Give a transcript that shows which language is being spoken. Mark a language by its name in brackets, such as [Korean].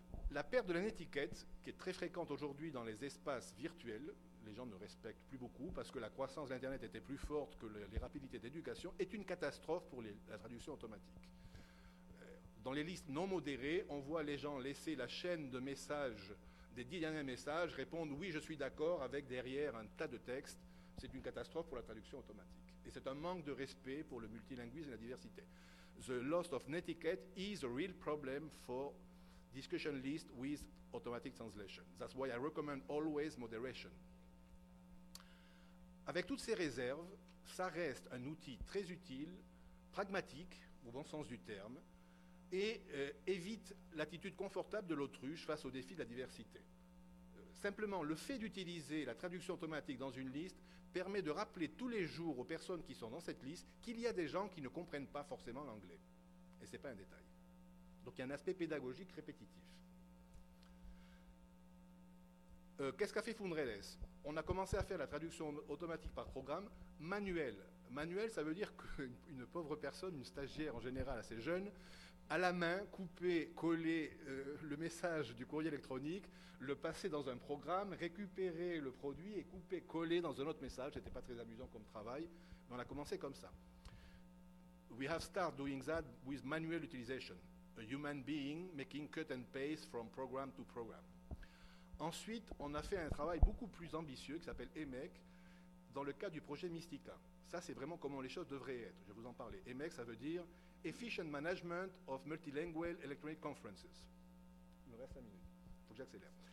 [French] La perte de l'étiquette, qui est très fréquente aujourd'hui dans les espaces virtuels, les gens ne respectent plus beaucoup parce que la croissance d'Internet était plus forte que les rapidités d'éducation, est une catastrophe pour la traduction automatique. Dans les listes non modérées, on voit les gens laisser la chaîne de messages, des 10 derniers messages, répondre « oui, je suis d'accord » avec derrière un tas de textes. C'est une catastrophe pour la traduction automatique. Et c'est un manque de respect pour le multilinguisme et la diversité. [English] The loss of netiquette is a real problem for discussion list with automatic translation. That's why I recommend always moderation. [French] Avec toutes ces réserves, ça reste un outil très utile, pragmatique, au bon sens du terme, et évite l'attitude confortable de l'autruche face au défi de la diversité. Simplement, le fait d'utiliser la traduction automatique dans une liste permet de rappeler tous les jours aux personnes qui sont dans cette liste qu'il y a des gens qui ne comprennent pas forcément l'anglais. Et ce n'est pas un détail. Donc il y a un aspect pédagogique répétitif. Qu'est-ce qu'a fait Fundreles? On a commencé à faire la traduction automatique par programme manuel. Manuel, ça veut dire qu'une pauvre personne, une stagiaire en général assez jeune, à la main, couper, coller le message du courrier électronique, le passer dans un programme, récupérer le produit et couper, coller dans un autre message. Ce n'était pas très amusant comme travail, mais on a commencé comme ça. [English] We have started doing that with manual utilization, a human being making cut and paste from program to program. [French] Ensuite, on a fait un travail beaucoup plus ambitieux qui s'appelle EMEC, dans le cadre du projet Mystica. Ça, c'est vraiment comment les choses devraient être. Je vais vous en parler. EMEC, ça veut dire Efficient Management of Multilingual Electronic Conferences. Il me reste la minute. Il faut que j'accélère.